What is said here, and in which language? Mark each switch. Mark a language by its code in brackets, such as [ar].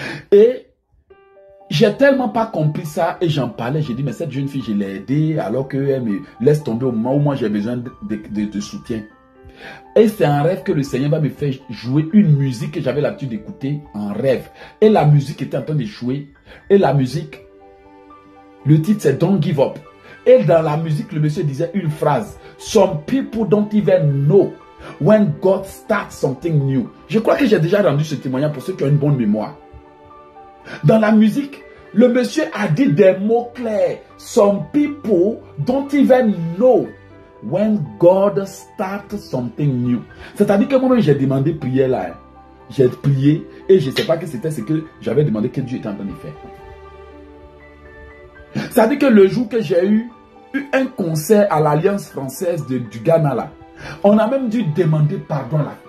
[fr] Et j'ai tellement pas compris ça, et j'en parlais, j'ai dit, mais cette jeune fille, je l'ai aidée, alors qu'elle me laisse tomber au moment où moi j'ai besoin de soutien. Et c'est un rêve que le Seigneur va me faire jouer une musique que j'avais l'habitude d'écouter en rêve. Et la musique était en train de jouer. Et la musique, le titre c'est Don't Give Up. Et dans la musique, le monsieur disait une phrase. [en] Some people don't even know when God starts something new. [fr] Je crois que j'ai déjà rendu ce témoignage pour ceux qui ont une bonne mémoire. Dans la musique, le monsieur a dit des mots clairs. [en] Some people don't even know when God starts something new. [fr] C'est-à-dire que moi-même, j'ai demandé prière là. J'ai prié et je ne sais pas que c'était ce que j'avais demandé que Dieu était en train de faire. C'est-à-dire que le jour que j'ai eu un concert à l'Alliance française du Ghana là, on a même dû demander pardon là.